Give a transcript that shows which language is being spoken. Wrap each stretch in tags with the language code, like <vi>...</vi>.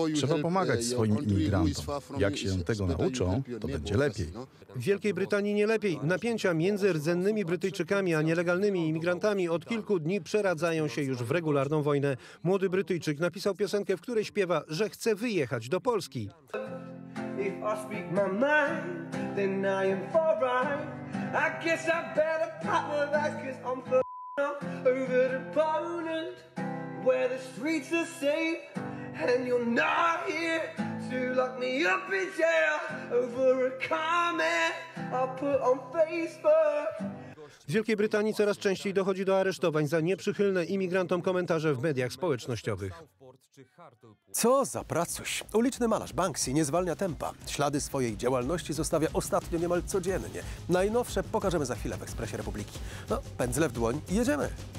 <pl>Trzeba pomagać swoim imigrantom. Jak się tego nauczą, to będzie lepiej. W Wielkiej Brytanii nie lepiej. Napięcia między rdzennymi Brytyjczykami a nielegalnymi imigrantami od kilku dni przeradzają się już w regularną wojnę. Młody Brytyjczyk napisał piosenkę, w której śpiewa, że chce wyjechać do Polski.</pl> <en>If I speak my mind, then I am for right. I guess I better partner that, cause I'm f***ing off over to Poland, where the streets are safe, and you're not here to lock me up in jail over a comment I put on Facebook.</en> <pl>W Wielkiej Brytanii coraz częściej dochodzi do aresztowań za nieprzychylne imigrantom komentarze w mediach społecznościowych. Co za pracuś! Uliczny malarz Banksy nie zwalnia tempa. Ślady swojej działalności zostawia ostatnio niemal codziennie. Najnowsze pokażemy za chwilę w Ekspresie Republiki. No, pędzle w dłoń i jedziemy!</pl>